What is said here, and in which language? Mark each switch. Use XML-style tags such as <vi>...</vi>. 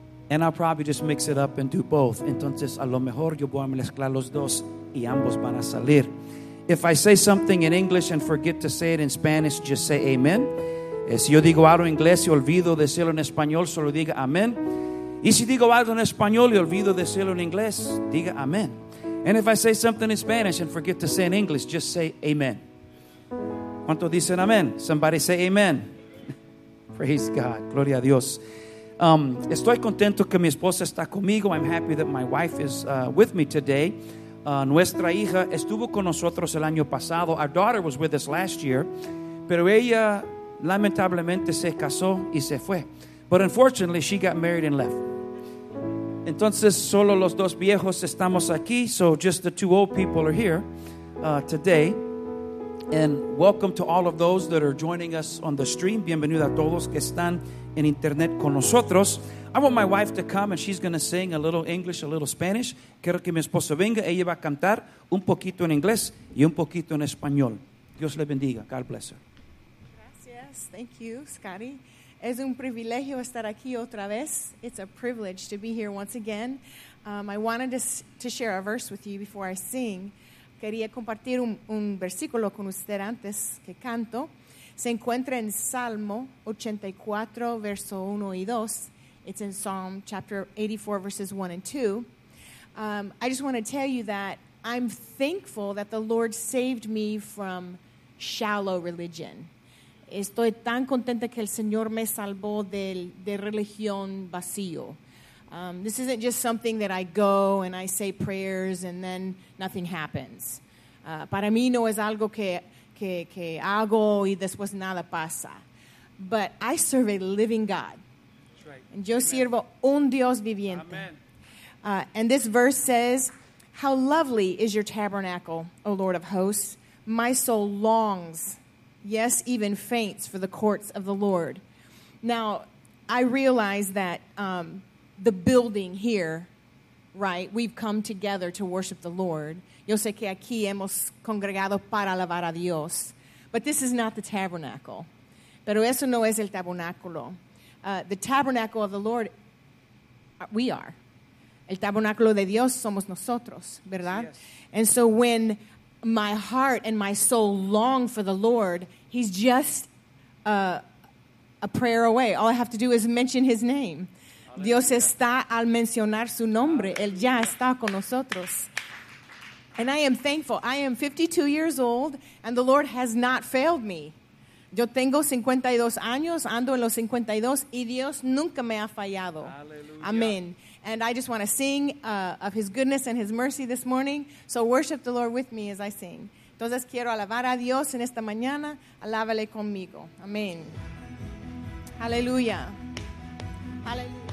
<en>And I'll probably just mix it up and do both.</en> <es>Entonces, a lo mejor yo voy a mezclar los dos y ambos van a salir.</es> <en>If I say something in English and forget to say it in Spanish, just say amen.</en> <es>Si yo digo algo en inglés y olvido decirlo en español, solo diga amen. Y si digo algo en español y olvido decirlo en inglés, diga amen.</es> <en>And if I say something in Spanish and forget to say in English, just say amen.</en> <es>¿Cuánto dicen amen?</es> <en>Somebody say amen. Praise God.</en> <es>Gloria a Dios. Estoy contento que mi esposa está conmigo.</es> <en>I'm happy that my wife is with me today.</en> <es>Nuestra hija estuvo con nosotros el año pasado.</es> <en>Our daughter was with us last year,</en> <es>pero ella lamentablemente se casó y se fue.</es> <en>But unfortunately, she got married and left.</en> <es>Entonces, solo los dos viejos estamos aquí.</es> <en>So just the two old people are here today. And welcome to all of those that are joining us on the stream.</en> <es>Bienvenido a todos que están en internet con nosotros.</es> <en>I want my wife to come, and she's going to sing a little English, a little Spanish.</en> <es>Quiero que mi esposa venga. Ella va a cantar un poquito en inglés y un poquito en español. Dios le bendiga.</es> <en>God bless her.</en> <es>Gracias.</es> <en>Thank you, Scotty.</en> <es>Es un privilegio estar aquí otra vez.</es> <en>It's a privilege to be here once again. I wanted to share a verse with you before I sing.</en> <es>Quería compartir un versículo con usted antes que canto. Se encuentra en Salmo 84, verso 1 y 2.</es> <en>It's in Psalm chapter 84, verses 1 and 2. I just want to tell you that I'm thankful that the Lord saved me from shallow religion.</en> <es>Estoy tan contenta que el Señor me salvó de religión vacío.</es> <en>This isn't just something that I go and I say prayers and then nothing happens.</en> <es>Para mí no es algo que hago y después nada pasa.</es> <en>But I serve a living God. That's right.</en> <es>And yo Amen. Sirvo un Dios viviente. Amen.</es> <en>And this verse says, "How lovely is your tabernacle, O Lord of hosts. My soul longs, yes, even faints for the courts of the Lord." Now, I realize that the building here, right, we've come together to worship the Lord.</en> <es>Yo sé que aquí hemos congregado para alabar a Dios.</es> <en>But this is not the tabernacle.</en> <es>Pero eso no es el tabernáculo.</es> <en>The tabernacle of the Lord, we are.</en> <es>El tabernáculo de Dios somos nosotros, ¿verdad?</es> <en>Yes. And so when my heart and my soul long for the Lord, he's just a prayer away. All I have to do is mention his name.</en> <es>Dios está al mencionar su nombre. Él ya está con nosotros.</es> <en>And I am thankful. I am 52 years old, and the Lord has not failed me.</en> <es>Yo tengo 52 años, ando en los 52, y Dios nunca me ha fallado. Hallelujah. Amen.</es> <en>And I just want to sing of his goodness and his mercy this morning. So worship the Lord with me as I sing.</en> <es>Entonces quiero alabar a Dios en esta mañana. Alábale conmigo. Amen. Hallelujah. Hallelujah.</es>